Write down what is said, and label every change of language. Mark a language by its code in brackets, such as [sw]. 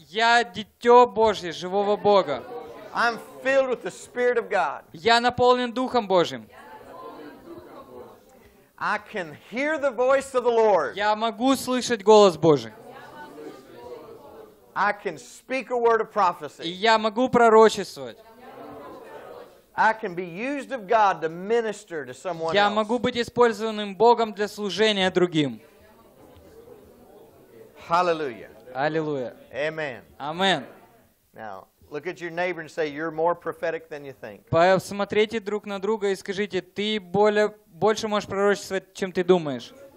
[ru] Я дитё Божье, живого Бога. [en] I'm filled with the Spirit of God. [ru] Я наполнен Духом Божьим. [en] I can hear the voice of the Lord. [ru] Я могу слышать голос Божий. [en] I can speak a word of prophecy. [ru] Я могу пророчествовать. [en] I can be used of God to minister to someone else. [ru] Я могу быть использованным Богом для служения другим. [en] Hallelujah. Hallelujah. Amen. Amen. Now, look at your neighbor and say, you're more prophetic than you think. [ru] Посмотрите друг на друга и скажите, ты больше можешь пророчествовать, чем ты думаешь.